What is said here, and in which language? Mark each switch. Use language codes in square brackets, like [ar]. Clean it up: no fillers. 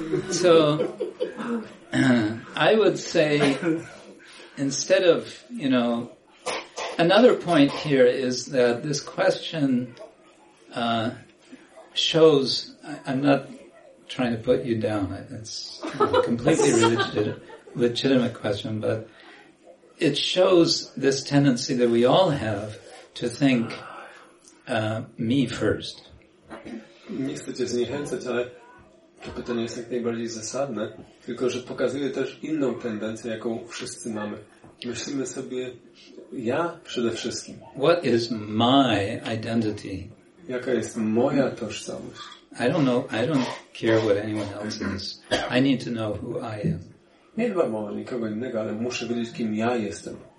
[en] So, I would say, instead of, you know, another point here is that this question shows, I'm not trying to put you down, it's a completely legitimate question, but it shows this tendency that we all have to think me first. [pl] Nie chcę cię zniechęcać, ale To pytanie jest jak najbardziej zasadne, tylko że pokazuje też inną tendencję, jaką wszyscy mamy. Myślimy sobie, ja przede wszystkim. [en] What is my identity? [pl] Jaka jest moja tożsamość? [en] I don't know, I don't care what anyone else is. I need to know who I am. [pl] Nie dbam o nikogo innego, ale muszę wiedzieć, kim ja jestem.